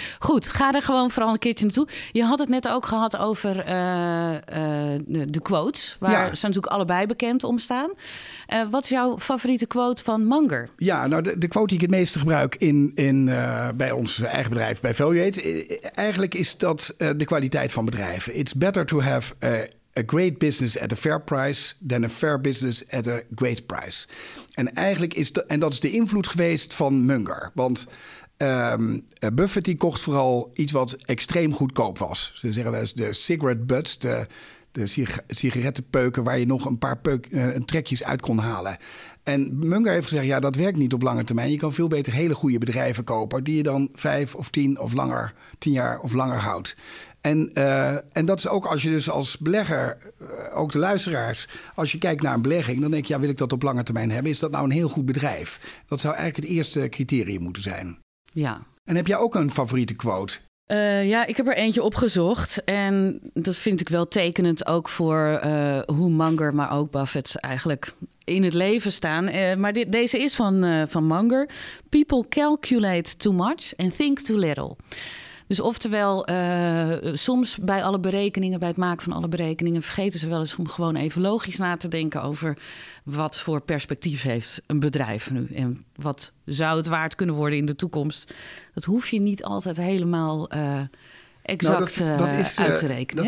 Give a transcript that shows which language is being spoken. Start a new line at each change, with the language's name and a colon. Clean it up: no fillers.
Dutch: Goed, ga er gewoon vooral een keertje naartoe. Je had het net ook gehad over de quotes. Waar ze natuurlijk allebei bekend om staan. Wat is jouw favoriete quote van Munger? Ja, nou de quote die ik het meeste gebruik bij ons eigen bedrijf, bij Valuate. Eigenlijk is dat de kwaliteit van bedrijven.
English: It's better to have a great business at a fair price than a fair business at a great price.
Dutch: En eigenlijk is en dat is de invloed geweest van Munger. Want Buffett die kocht vooral iets wat extreem goedkoop was. Ze zeggen wel eens de cigarette butts, de sigarettenpeuken, waar je nog een paar trekjes uit kon halen. En Munger heeft gezegd, ja, dat werkt niet op lange termijn. Je kan veel beter hele goede bedrijven kopen die je dan 5 of 10 jaar of langer houdt. En dat is ook als je dus als belegger, ook de luisteraars, als je kijkt naar een belegging, dan denk je, ja, wil ik dat op lange termijn hebben? Is dat nou een heel goed bedrijf? Dat zou eigenlijk het eerste criterium moeten zijn. Ja. En heb jij ook een favoriete quote? Ja, ik heb er eentje opgezocht. En dat vind ik wel tekenend ook voor hoe Munger, maar ook Buffett eigenlijk in het leven staan. Maar deze is van Munger.
English: People calculate too much and think too little.
Dutch: Dus oftewel, soms bij het maken van alle berekeningen... vergeten ze wel eens om gewoon even logisch na te denken over wat voor perspectief heeft een bedrijf nu en wat zou het waard kunnen worden in de toekomst. Dat hoef je niet altijd helemaal exact uit te rekenen.